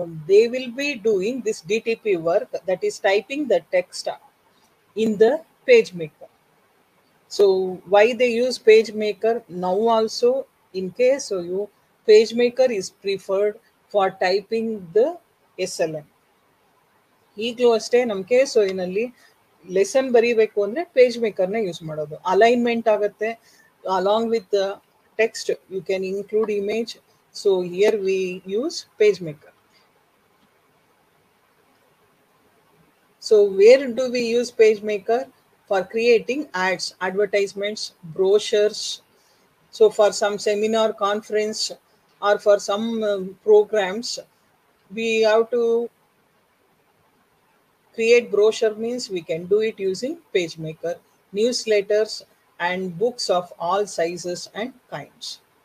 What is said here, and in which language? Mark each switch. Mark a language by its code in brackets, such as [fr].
[en] They will be doing this DTP work, that is typing the text in the PageMaker. So why they use PageMaker now also in case of you, PageMaker is preferred for typing the SLM. [kn] ಈಗಲೂ ಅಷ್ಟೇ ನಮ್ಮ case ಓಯಿನಲ್ಲಿ lesson ಬರೀಬೇಕು ಅಂದರೆ page ಮೇಕರ್ನ use ಮಾಡೋದು. [en] alignment [kn] ಆಗುತ್ತೆ [en] Along with text, you can include image. So here we use page maker. So where do we use page maker? For creating ads, advertisements, brochures. So for some seminar conference or for some programs, we have to create brochure, means we can do it using PageMaker, newsletters and books of all sizes and kinds.